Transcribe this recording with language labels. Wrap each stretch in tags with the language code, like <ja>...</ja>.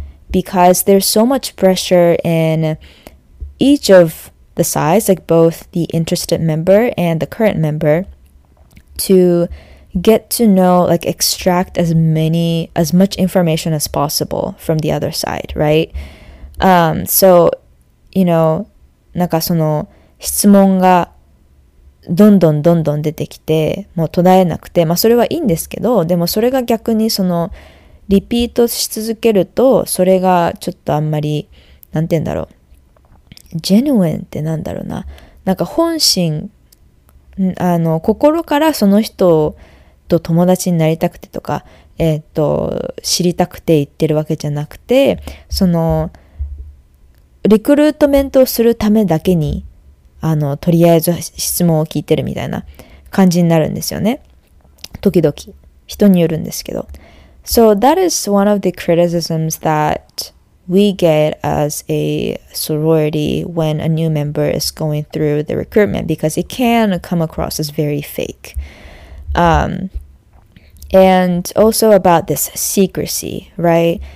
<en>Because there's so much pressure in each of the sides, like both the interested member and the current member, to get to know, like extract as much information as possible from the other side, right? So, you know,</en> <ja>なんかその質問がどんどんどんどん出てきてもう途絶えなくて、まあそれはいいんですけど、でもそれが逆にそのリピートし続けるとそれがちょっとあんまりなんて言うんだろう、ジェヌエンってなんだろうな、なんか本心、あの心からその人と友達になりたくてとか、知りたくて言ってるわけじゃなくて、そのリクルートメントをするためだけに、あのとりあえず質問を聞いてるみたいな感じになるんですよね、時々人によるんですけど。</ja> <en>So that is one of the criticisms that we get as a sorority when a new member is going through the recruitment, because it can come across as very fake. And also about this secrecy, right?</en>